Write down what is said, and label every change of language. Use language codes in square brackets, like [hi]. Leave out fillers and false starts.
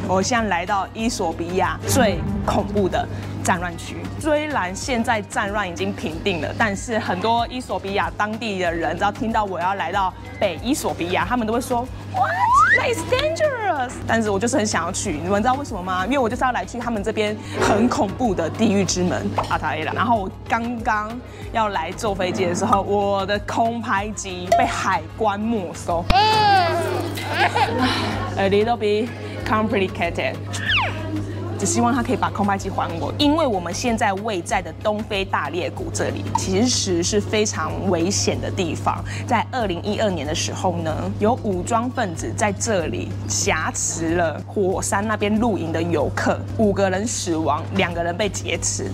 [zh] 我现在来到伊索比亚最恐怖的战乱区，虽然现在战乱已经平定了，但是很多伊索比亚当地的人只要听到我要来到北伊索比亚，他们都会说 What? [en] That is dangerous. [zh] 但是我就是很想要去，你们知道为什么吗？因为我就是要来去他们这边很恐怖的地狱之门阿塔雷拉。然后我刚刚要来坐飞机的时候，我的空拍机被海关没收。 [en] A little bit complicated. [zh] 只希望他可以把空白机还我，因为我们现在位在的东非大裂谷这里其实是非常危险的地方。在2012年的时候呢，有武装分子在这里挟持了火山那边露营的游客，5个人死亡，2个人被劫持。